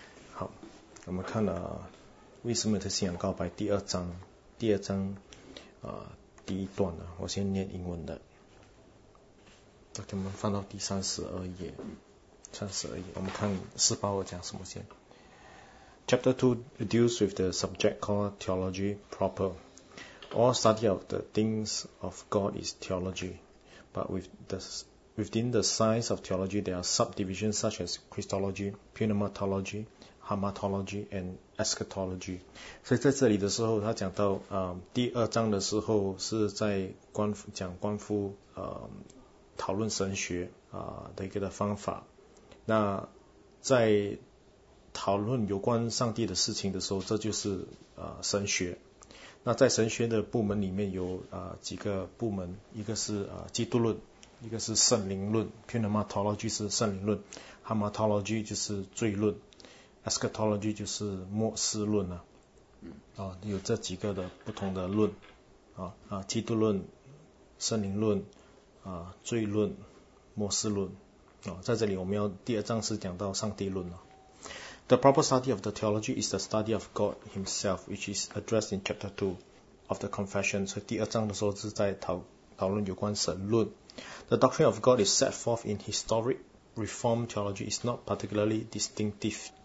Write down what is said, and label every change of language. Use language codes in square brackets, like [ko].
[zh] 好，我们看了卫斯理的信仰告白第二章第一段呢，我先念英文的。给我们放到第32页，我们看斯巴尔讲什么先。 [en] Chapter 2 deals with the subject called theology proper. All study of the things of God is theology, but within the science of theology there are subdivisions such as Christology, Pneumatology, Hamatology, and Eschatology. [zh] 所以在这里的时候，他讲到第二章的时候是在关乎讨论神学的一个的方法。那在讨论有关上帝的事情的时候，这就是神学。那在神学的部门里面有几个部门，一个是基督论，一个是圣灵论 ，Pneumatology 是圣灵论 ，Hamatology 就是罪论 ，Eschatology 就是末世论有这几个的不同的论基督论、圣灵论。罪论、末世论在这里我们要第二章是讲到上帝论了。 [en] The proper study of the theology is the study of God himself, which is addressed in chapter 2 of the confession. [zh] 所以第二章的时候是在讨论有关神论。 [en] The doctrine of God is set forth in historic reformed theology is not particularly distinctive.